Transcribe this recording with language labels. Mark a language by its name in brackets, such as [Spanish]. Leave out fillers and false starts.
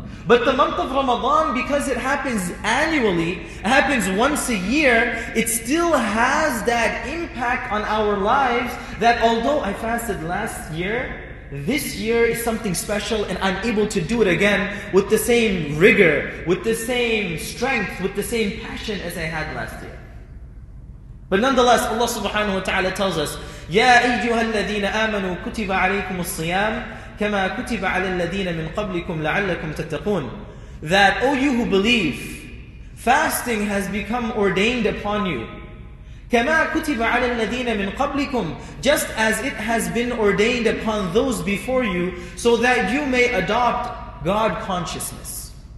[English] But the month of Ramadan, because it happens annually, it happens once a year, it still has that impact on our lives that although I fasted last year, this year is something special and I'm able to do it again with the same rigor, with the same strength, with the same passion as I had last year. But nonetheless, Allah subhanahu wa ta'ala tells us, [Arabic] يَا أَيُّهَا الَّذِينَ آمَنُوا كُتِبَ عَلَيْكُمُ الصِّيَامِ كَمَا كُتِبَ عَلَى الَّذِينَ مِنْ قَبْلِكُمْ لَعَلَّكُمْ تَتَّقُونَ. [English] That, O you who believe, fasting has become ordained upon you. [Arabic] كَمَا كُتِبَ عَلَى الَّذِينَ مِنْ قَبْلِكُمْ. [English] Just as it has been ordained upon those before you, so that you may adopt God consciousness.